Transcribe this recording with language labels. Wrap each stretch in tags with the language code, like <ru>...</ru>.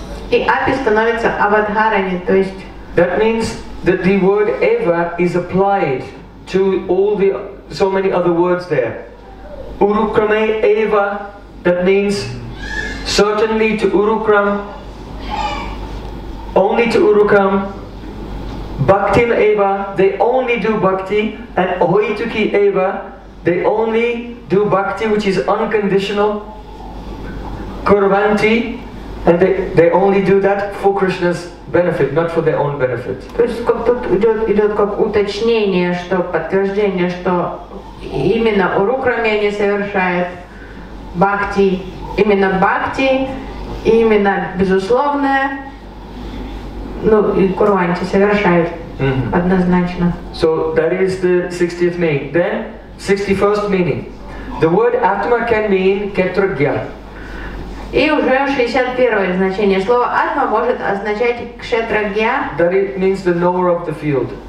<ru>И апи становится аватхарани, то есть.</ru> <en>That means that the word eva is applied to all the so many other words there. Urukrame eva, that means certainly to Urukram, only to Urukram. Bhakti eva, they only do bhakti, and Ohituki eva, they only do bhakti which is unconditional. Kurvanti, and they only do that for Krishna's benefit, not for their own benefit.</en> <ru>То есть как тут идет как уточнение, что подтверждение, что именно Урукрами они совершают бхакти, именно бхакти, именно безусловное, ну и курванти совершают однозначно.</ru> <en>So that is the 60th meaning. Then 61st meaning. The word atma can mean кетрагья.</en> <ru>И уже 61-е значение. Слово атма может означать кшетрагья.</ru> <en>That it means the knower of the field.</en>